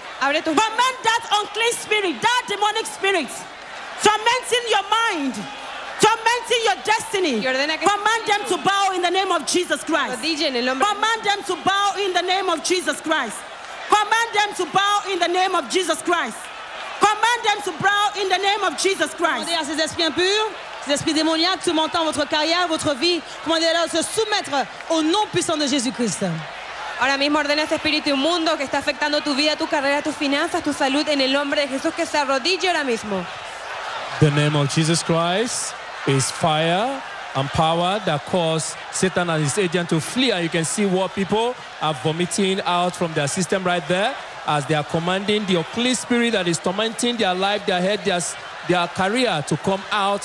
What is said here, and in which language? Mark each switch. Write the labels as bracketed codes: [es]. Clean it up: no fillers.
[en] Command that unclean spirit, that demonic spirit, tormenting your mind, tormenting your destiny, command them to bow in the name of Jesus Christ. Command them to bow in the name of Jesus Christ. Command them to bow in the name of Jesus Christ. Command them to bow in the name of Jesus Christ. [fr] Commandez à ces esprits impurs, ces esprits démoniaques tourmentant votre carrière, votre vie, commandez-leur de se soumettre au nom puissant de Jésus Christ. [es] Ahora mismo ordena ese espíritu inmundo que está afectando tu vida, tu carrera, tus finanzas, tu salud en el nombre de Jesús, que se arrodille ahora mismo. [en] The name of Jesus Christ is fire and power that caused Satan and his agent to flee. And you can see what people are vomiting out from their system right there as they are commanding the unclean spirit that is tormenting their life, their head, their career to come out.